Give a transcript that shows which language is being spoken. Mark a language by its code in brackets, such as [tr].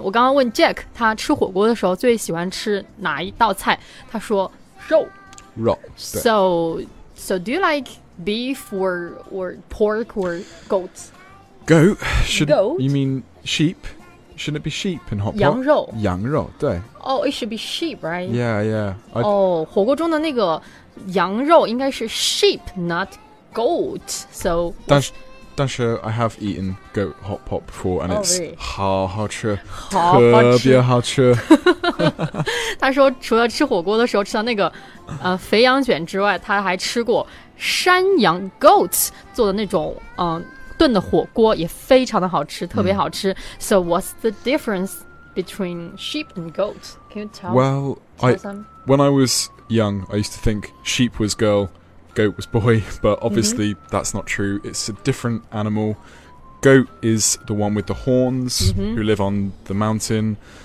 [zh] 我刚刚问 Jack， 他吃火锅的时候最喜欢吃哪一道菜？他说肉。 [en] Rock, so do you like beef or pork or goats? Goat? Should goat? You mean sheep? Shouldn't it be sheep in hot pot? [zh] 羊肉。羊肉，对。 [en] Oh, it should be sheep, right? Yeah. [zh] 火锅中的那个羊肉应该是 sheep, [en] not goat. So, [zh] 但是 [en] I have eaten goat hot pot before and it's [zh] 好好吃。特别好吃。他说除了吃火锅的时候吃到那个肥羊卷之外，他还吃过山羊 goat 做的那种炖的火锅，也非常的好吃，特别好吃。 [en] So what's the difference between sheep and goat? Can you tell? Well, when I was young, I used to think sheep was girl, goat was boy, but obviously that's not true. It's a different animal. Goat is the one with the horns who live on the mountain.